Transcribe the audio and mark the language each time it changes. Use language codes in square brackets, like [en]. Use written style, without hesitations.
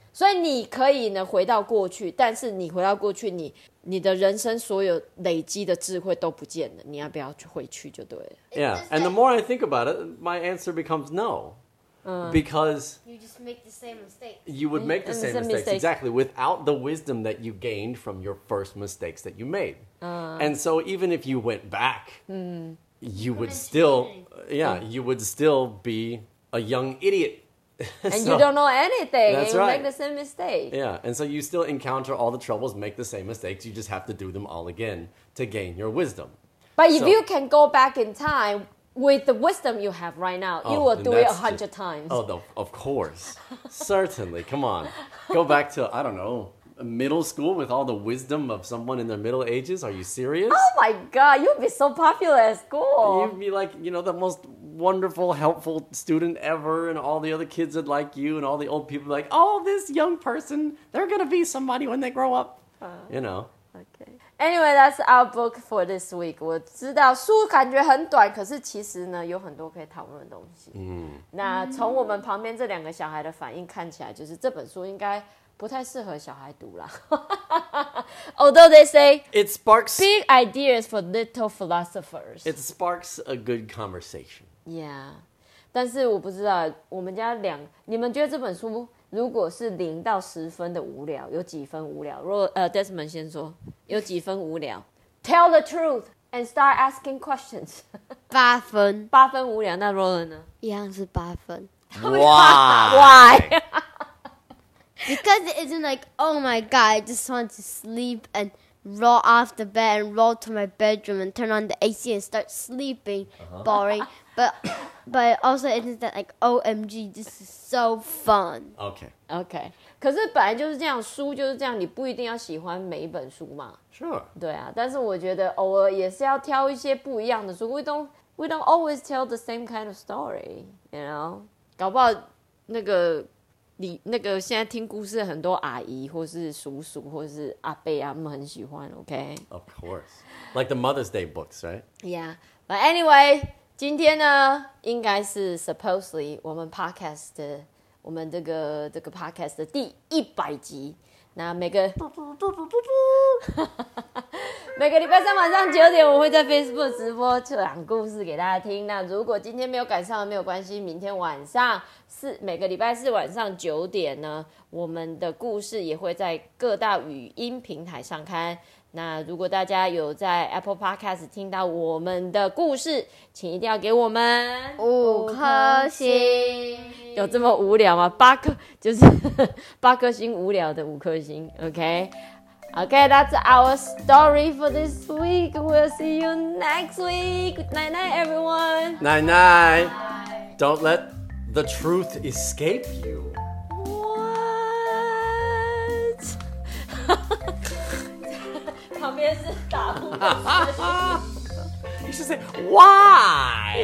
[zh] 所以你可以呢回到过去，但是你回到过去，你的人生所有累积的智慧都不见了，你要不要回去就对了。 [en] Yeah, and the more I think about it, my answer becomes no. Because you just make the same mistakes. You would make the same mistakes, exactly, without the wisdom that you gained from your first mistakes that you made. And so even if you went back, you would still, you would still be a young idiot. And so, you don't know anything. That's and right. You make the same mistake. Yeah, and so you still encounter all the troubles, make the same mistakes. You just have to do them all again to gain your wisdom. But if you can go back in time... With the wisdom you have right now, you will do it 100 times. Of course. Certainly. Come on. Go back to, I don't know, middle school with all the wisdom of someone in their middle ages? Are you serious? Oh my God, you'd be so popular at school. You'd be like, you know, the most wonderful, helpful student ever, and all the other kids would like you, and all the old people would be like, oh, this young person, they're going to be somebody when they grow up. You know. Okay. Anyway, that's our book for this week. [zh] 我知道书感觉很短，可是其实呢，有很多可以讨论的东西。那从我们旁边这两个小孩的反应看起来，就是这本书应该不太适合小孩读啦。 [en] Although they say it sparks big ideas for little philosophers. It sparks a good conversation. Yeah. [zh] 但是我不知道我们家两你们觉得这本书如果是零到十分的无聊有几分无聊如果Desmond 先说有几分无聊 [en] Tell the truth and start asking questions. [zh] 八分。八分无聊那 Roland 呢一样是八分。 [en] Why? Why? Because it isn't like, oh my god, I just want to sleep and roll off the bed and roll to my bedroom and turn on the AC and start sleeping. Uh-huh. Boring. But also isn't that like, OMG, this is so fun. Okay. Okay. [zh] 可是本来就是这样书就是这样你不一定要喜欢每一本书嘛。 [en] Sure. [zh] 对啊但是我觉得偶尔也是要挑一些不一样的书 [en] We don't always tell the same kind of story, you know? [zh] 搞不好那个你那个现在听故事很多阿姨或是叔叔或是阿伯啊他们很喜欢 OK [en] Of course Like the Mother's Day books right Yeah But anyway [zh] 今天呢应该是 supposedly 我们 podcast 的我们这个 podcast 的第100集那每个每个礼拜三晚上九点我会在 Facebook 直播讲故事给大家听那如果今天没有赶上没有关系明天晚上是每个礼拜四晚上九点呢我们的故事也会在各大语音平台上刊那如果大家有在 Apple Podcast 听到我们的故事请一定要给我们五颗星有这么无聊吗八颗就是八颗星无聊的五颗星 [en] OKOkay, that's our story for this week. We'll see you next week. Night night, everyone. Night night. Don't let the truth escape you. What? [zh] 旁边是打呼 [en] 的。You should say, why?